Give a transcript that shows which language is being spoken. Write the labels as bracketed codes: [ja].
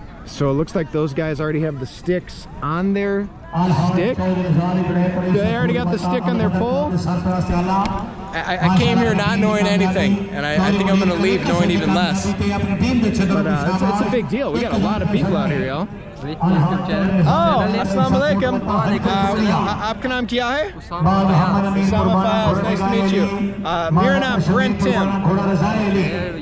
[en] So it looks like those guys already have the sticks on their stick. They already got the stick on their pole. I came here not knowing anything, and I think I'm going to leave knowing even less. But it's a big deal. We got a lot of people out here, y'all. Oh, assalamu alaikum. [ur] آپ کا نام کیا ہے؟ [en] Usama Faiz, nice to meet you. Mirna, Brent Timm.